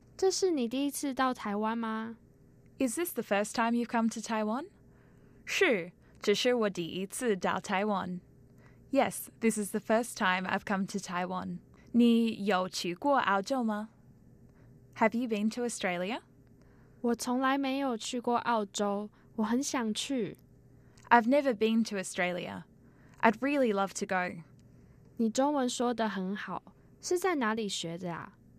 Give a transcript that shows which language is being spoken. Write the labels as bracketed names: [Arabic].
[Chinese] 这是你第一次到台湾吗？ [English] Is this the first time you've come to Taiwan? [Chinese] 是，这是我第一次到台湾。 [English] Yes, this is the first time I've come to Taiwan. [Chinese] 你有去过澳洲吗？ [English] Have you been to Australia? [Chinese] 我从来没有去过澳洲，我很想去。 [English] I've never been to Australia. I'd really love to go. [Chinese] 你中文说得很好，是在哪里学的啊？